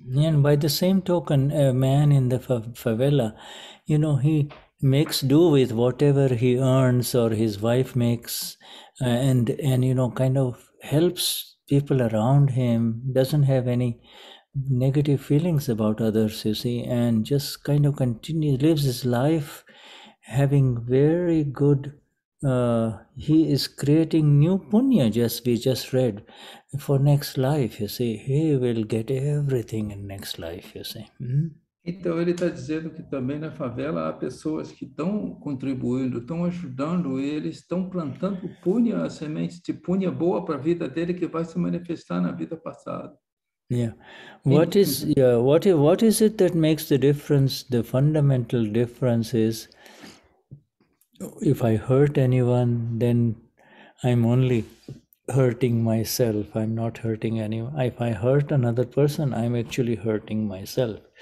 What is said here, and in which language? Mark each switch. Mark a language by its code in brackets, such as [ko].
[en] And by the same token, a man in the favela, you know, he makes do with whatever he earns or his wife makes, and you know, kind of helps people around him, doesn't have any negative feelings about others, you see, and just kind of continues, lives his life having very good. He is creating new punya, we just read, for next life, you see. He will get everything in next life, you see. [pt] Então, ele está dizendo que também na favela há pessoas que estão contribuindo, estão ajudando, e eles estão plantando punya, a semente de punya boa para a vida dele, que vai se manifestar na vida passada. [en] Yeah, what is it that makes the difference? The fundamental difference is, if I hurt anyone, then I'm only hurting myself. I'm not hurting anyone. If I hurt another person, I'm actually hurting myself.